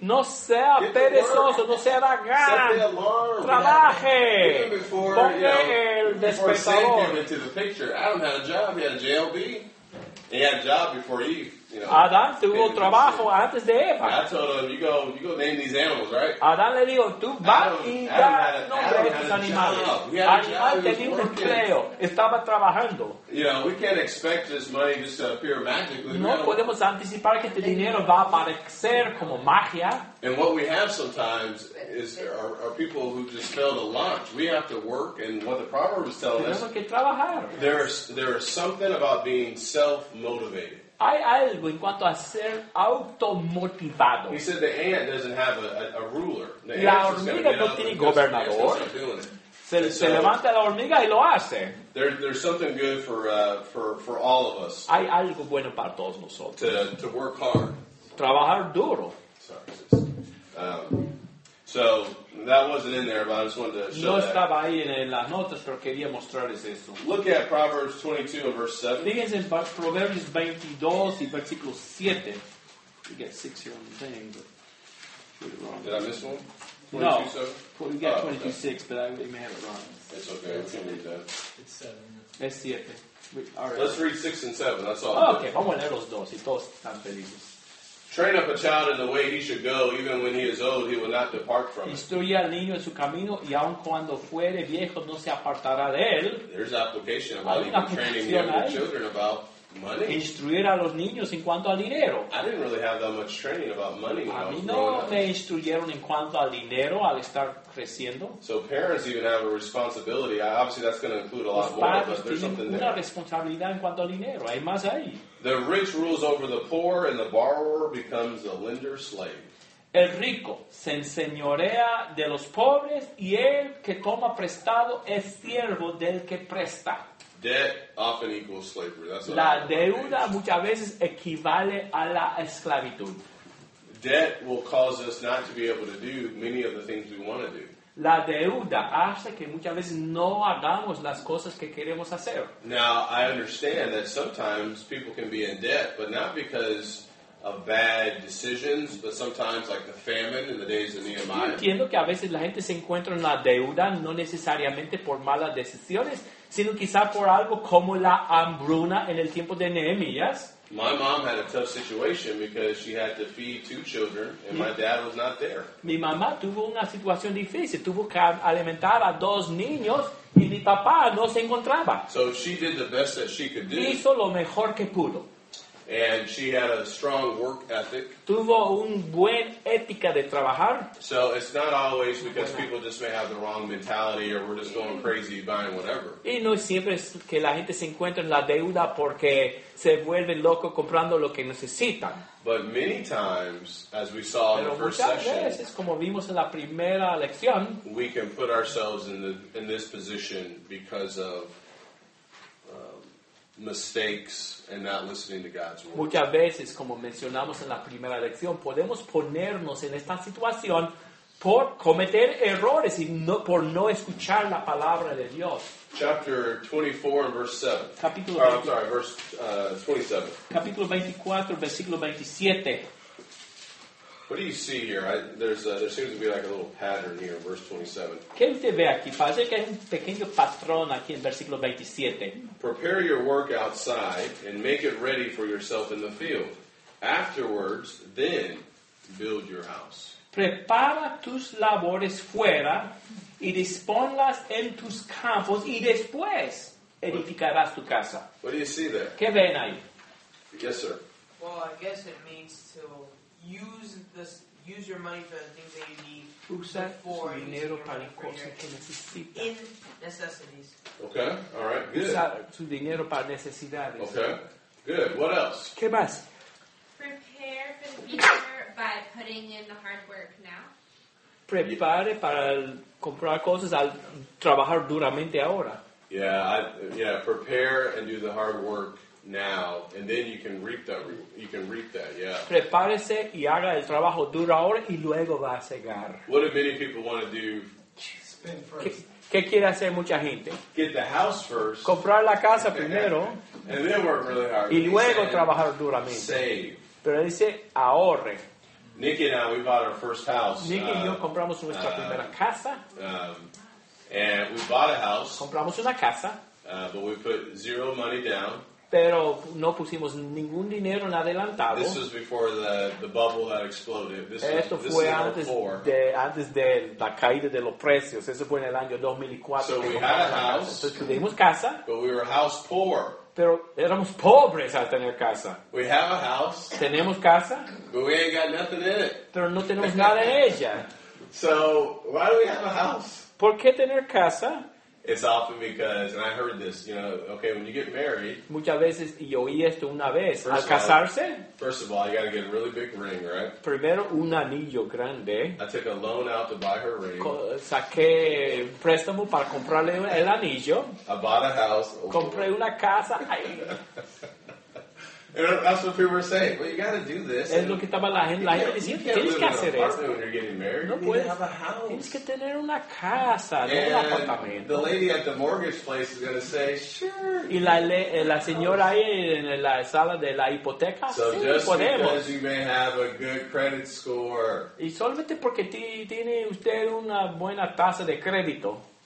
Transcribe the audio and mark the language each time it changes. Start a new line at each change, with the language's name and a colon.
Spanish: No sea perezoso. No sea vagán.
English: Set the alarm.
Spanish: Trabaje.
English: Even before,
Spanish: el despertador.
English: Before Sam came into the picture. Adam had a job. He had a JLB. He had a job before Eve. You know,
Spanish: Adán tuvo trabajo antes de Eva.
English: I told him, you go name these animals, right?
Spanish: Adán le dijo, tú vas y da nombre a estos animales. Adán tenía un empleo, estaba trabajando.
English: You know, we can't expect this money just to appear magically.
Spanish: No podemos anticipar que este dinero va a aparecer como magia.
English: And what we have sometimes is are people who just fail to launch. We have to work, and what the proverb is telling
Spanish: tenemos
English: us,
Spanish: que trabajar.
English: There is something about being self-motivated.
Spanish: Hay algo en cuanto a ser automotivado.
English: He said the ant doesn't have a ruler. The
Spanish: la hormiga no tiene gobernador. Se levanta la hormiga y lo hace.
English: There's something good for all of us.
Spanish: Hay algo bueno para todos nosotros.
English: To work hard.
Spanish: Trabajar duro.
English: So that wasn't in there, but I just wanted to show
Spanish: no estaba
English: that.
Spanish: Ahí en las notas, pero quería mostrarles esto.
English: Look at Proverbs 22 and verse 7.
Spanish: Fíjense en Proverbios 22 y versículo 7.
English: You get 6 here on the thing, but did I miss one? 22, no. 7? You got 22:6, but I may have it wrong. It's okay. We can read that. It's 7.
Spanish: Es 7.
English: Let's read 6 and 7. That's all. Okay.
Spanish: Vamos a leer los dos y todos están felices.
English: Train up a child in the way he should go, even when he is old, he will not depart from it.
Spanish: Instruye al niño en su camino, y aun cuando fuere viejo, no se apartará de él.
English: There's application about even training younger children about money.
Spanish: Instruir a los niños en cuanto al dinero.
English: I didn't really have that much training about money when I was growing up.
Spanish: me instruyeron en cuanto al dinero al estar creciendo.
English: So parents even have a responsibility. Obviously, that's going to include a lot more, but there's something there.
Spanish: Los padres tienen una responsabilidad en cuanto al dinero. Hay más ahí.
English: The rich rules over the poor, and the borrower becomes the lender's slave.
Spanish: El rico se enseñorea de los pobres, y el que toma prestado es siervo del que presta.
English: Debt often equals slavery. That's
Spanish: la deuda muchas veces equivale a la esclavitud.
English: Debt will cause us not to be able to do many of the things we want to do.
Spanish: La deuda hace que muchas veces no hagamos las cosas que queremos hacer.
English: Now, I understand that sometimes people can be in debt, but not because of bad decisions, but sometimes like the famine in the days of Nehemiah.
Spanish: Entiendo que a veces la gente se encuentra en la deuda, no necesariamente por malas decisiones, sino quizá por algo como la hambruna en el tiempo de Nehemías.
English: My mom had a tough situation because she had to feed two children and my dad was not there.
Spanish: Mi mamá tuvo una situación difícil. Tuvo que alimentar a dos niños y mi papá no se encontraba.
English: So she did the best that she could do.
Spanish: Hizo lo mejor que pudo.
English: And she had a strong work ethic.
Spanish: Tuvo un buen ética de trabajar.
English: So it's not always because people just may have the wrong mentality or we're just going crazy buying whatever.
Spanish: Y no siempre es que la gente se encuentra en la deuda porque se vuelve loco comprando lo que necesitan.
English: But many times, as we saw
Spanish: pero
English: in the first session,
Spanish: veces, como vimos en la primera lección,
English: we can put ourselves in this position because of mistakes and not listening to God's word.
Spanish: Muchas veces, como mencionamos en la primera lección, podemos ponernos en esta situación por cometer errores y no, por no escuchar la palabra de Dios.
English: Chapter 24 and verse 7.
Spanish: Capítulo 27. Capítulo 24, versículo 27.
English: What do you see here? There seems to be like a little pattern here in verse 27.
Spanish: ¿Qué usted ve aquí? Parece que hay un pequeño patrón aquí en versículo 27.
English: Prepare your work outside and make it ready for yourself in the field. Afterwards, then build your house.
Spanish: Prepara tus labores fuera y disponlas en tus campos y después edificarás tu casa.
English: What do you see there?
Spanish: ¿Qué ven ahí?
English: Yes, sir. Well, I guess it means to use your money for the things that you need.
Spanish: Usa
English: before
Spanish: su dinero para cosas que necesita.
English: In necessities. Okay, all right, good.
Spanish: Usa su dinero para necesidades.
English: Okay, good. What else?
Spanish: ¿Qué más?
English: Prepare for the future by putting in the hard work now.
Spanish: Prepare para comprar cosas al trabajar duramente ahora.
English: Yeah, prepare and do the hard work now, and then you can reap that, yeah.
Spanish: Prepárese y haga el trabajo duro ahora y luego va a cegar.
English: What do many people want to do? Spin first.
Spanish: ¿Qué quiere hacer mucha gente?
English: Get the house first.
Spanish: Comprar la casa primero.
English: And then work really hard.
Spanish: Y luego trabajar duramente.
English: Save.
Spanish: Pero dice ahorre.
English: Nicky and I, we bought our first house.
Spanish: Nicky y yo compramos nuestra primera casa.
English: And we bought a house.
Spanish: Compramos una casa.
English: But we put zero money down.
Spanish: pero no pusimos ningún dinero en adelantado.
English: This was before the bubble that exploded.
Spanish: Esto fue antes de la caída de los precios. Eso fue en el año 2004.
English: So we had a house.
Spanish: Entonces tuvimos casa.
English: But we were house poor.
Spanish: Pero éramos pobres al tener casa.
English: We have a house.
Spanish: Tenemos casa.
English: But we ain't got nothing in it.
Spanish: Pero no tenemos nada en ella.
English: So why do we have a house?
Spanish: ¿Por qué tener casa?
English: It's often because, and I heard this, you know, okay, when you get married.
Spanish: Muchas veces, y oí esto una vez, al casarse.
English: First of all, you got to get a really big ring, right?
Spanish: Primero, un anillo grande.
English: I took a loan out to buy her ring.
Spanish: Saqué préstamo para comprarle el anillo.
English: I bought a house.
Spanish: Oh, compré una casa.
English: And that's what people were saying. Well, you got to do this.
Spanish: Es lo que estaba la gente. La gente decía, tienes que hacer esto.
English: When you're getting married.
Spanish: No puedes.
English: Have a house.
Spanish: Tienes que tener una casa, no un apartamento.
English: The lady at the mortgage place is going to say, sure.
Spanish: Y la señora ahí en la sala de la hipoteca,
English: so
Spanish: sí,
English: just
Spanish: podemos.
English: Because you may have a good credit score.
Spanish: Y solamente porque tiene usted una buena tasa de crédito.